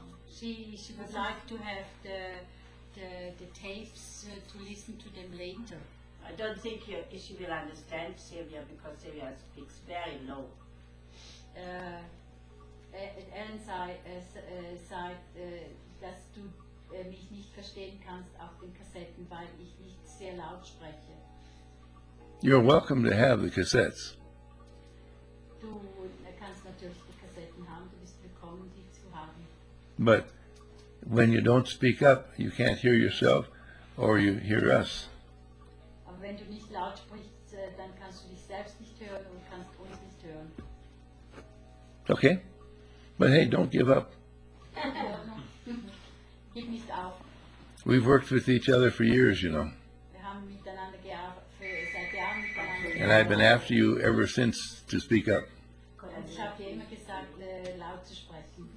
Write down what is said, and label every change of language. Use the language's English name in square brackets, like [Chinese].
[English] She would like to have the tapes to listen to them later. I don't think she will understand Sylvia because Sylvia speaks very low. [German] Ellen sagt, dass du mich nicht verstehen kannst auf den Kassetten, weil ich nicht sehr laut spreche. [English] You're welcome to have the cassettes. [German] Du kannst natürlich die Kassetten haben, du bist willkommen, die zu haben. [English] But when you don't speak up, you can't hear yourself, or you hear us. [German] Wenn du nicht laut sprichst, dann kannst du dich selbst nicht hören und kannst uns nicht hören. [English] Okay. But hey, don't give up. [German] Gib nicht auf. [English] We've worked with each other for years, you know. [German] Wir haben miteinander seit Jahren miteinander. [English] And I've been after you ever since to speak up. [German] Und ich habe dir immer gesagt, laut zu sprechen.